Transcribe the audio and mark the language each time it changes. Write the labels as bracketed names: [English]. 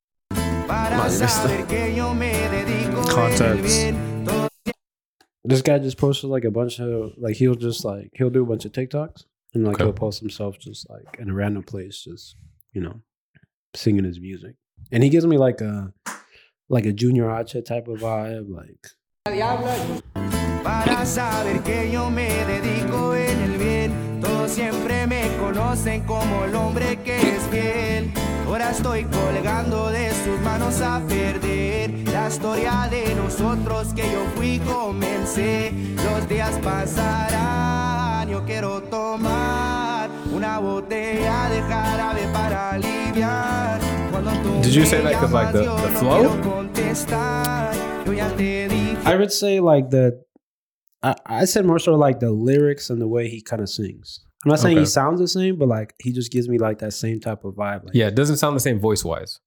[English] Contacts. This guy just posted like a bunch of, like, he'll do a bunch of TikToks and like okay. He'll post himself just like in a random place, just, you know, singing his music. And he gives me like a Junior Acha type of vibe. [Spanish] Like, siempre me conocen como el hombre que es fiel. Ahora estoy colgando de sus manos a perder la historia de nosotros que yo fui comencé. Los días pasarán, yo quiero tomar una botella de jarabe para aliviar. [English] Did you say that because like the flow? I would say like I said more sort of like the lyrics and the way he kind of sings. I'm not saying okay. He sounds the same, but like he just gives me like that same type of vibe. Like, yeah, it doesn't sound the same voice wise.